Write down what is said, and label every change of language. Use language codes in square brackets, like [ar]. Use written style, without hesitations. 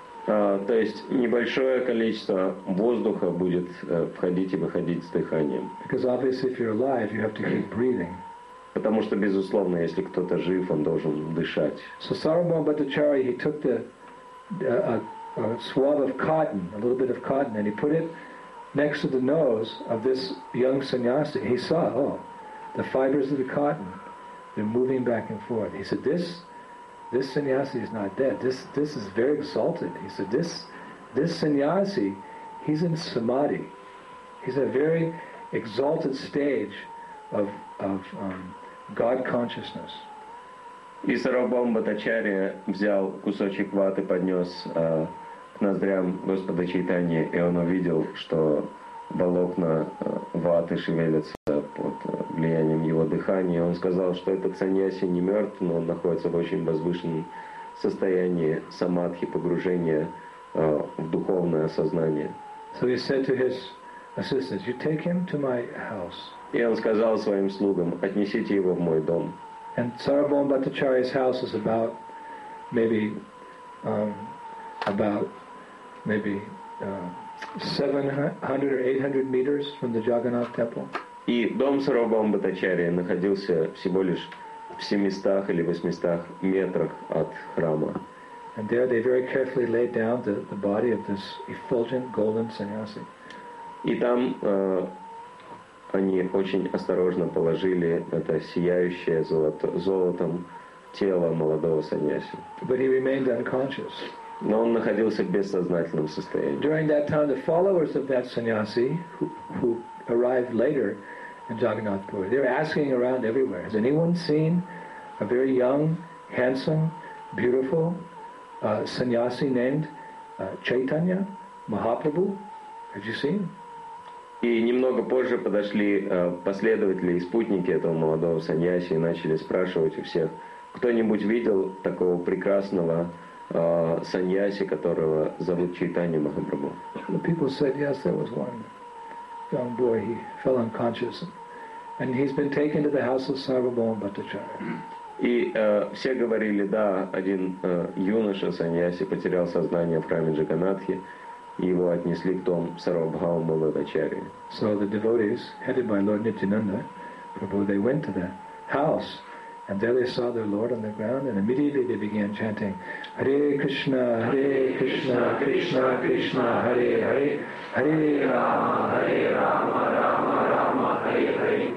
[ru] То есть небольшое количество воздуха будет входить и выходить с дыханием. [en] Because obviously, if you're alive, you have to keep breathing. [ru] Потому что, безусловно, если кто-то жив, он должен дышать. [en] So Sarvabhauma Bhattacharya, he took a swab of cotton, a little bit of cotton, and he put it next to the nose of this young sannyasi. He saw, oh, the fibers of the cotton, they're moving back and forth. He said, this sannyasi is not dead. This is very exalted. He said, this sannyasi, he's in samadhi. He's in a very exalted stage of God consciousness. [ru] И Сарвабхаума Бхаттачарья взял кусочек ваты, поднес к ноздрям Господа Чайтаньи, и он увидел, что волокна ваты шевелятся под влиянием его дыхания. Он сказал, что этот саньяси не мертв, но он находится в очень возвышенном состоянии самадхи, погружения в духовное сознание. [en] So he said to his assistants, "You take him to my house." [ru] И он сказал своим слугам, отнесите его в мой дом. [en] And Sarvabhauma Bhattacharya's house is about maybe about 700 or 800 meters from the Jagannath temple. [ru] И дом Сарвабхаума Бхаттачарья находился всего лишь в 700 или 800 метрах от храма. [en] And there they very carefully laid down the body of this effulgent golden sannyasi. [ru] И там они очень осторожно положили это сияющее золотом тело молодого саньяси. [en] But he remained unconscious. [ru] Но он находился в бессознательном состоянии. [en] During that time, the followers of that sannyasi, who arrived later in Jagannathpur, they were asking around everywhere, has anyone seen a very young, handsome, beautiful sannyasi named Chaitanya Mahaprabhu? Have you seen? [ru] И немного позже подошли последователи и спутники этого молодого саньяси и начали спрашивать у всех, кто-нибудь видел такого прекрасного саньяси, которого зовут Чайтанья Махапрабху? [en] The people said, yes, there was one young boy, he fell unconscious, and he's been taken to the house of Sarvabhauma Bhattacharya. [ru] И все говорили, да, один юноша саньяси потерял сознание в храме Джаганатхи, его отнесли к дому Сарвабхаума Бхаттачарьи. [en] So the devotees, headed by Lord Nityananda Prabhu, they went to the house, and there they saw their Lord on the ground, and immediately they began chanting, Hare Krishna, Krishna Krishna, Hare Hare, Hare Rama, Rama Rama, Hare Hare.